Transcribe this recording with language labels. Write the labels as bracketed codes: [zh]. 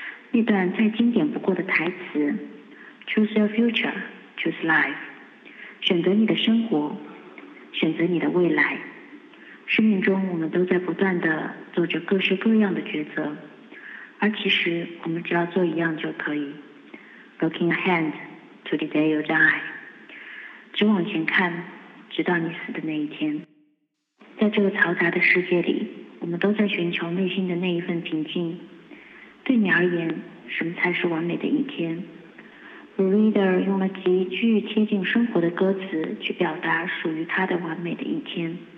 [zh] 那段再经典不过的台词 [en] Choose your future, choose life， [zh] 选择你的生活，选择你的未来。生命中我们都在不断地做着各式各样的抉择，而其实我们只要做一样就可以。 [en] Looking ahead to the day you die， [zh] 只往前看，直到你死的那一天。在这个嘈杂的世界里，我们都在寻求内心的那一份平静。对你而言，什么才是完美的一天？Reader 用了极具贴近生活的歌词去表达属于他的完美的一天。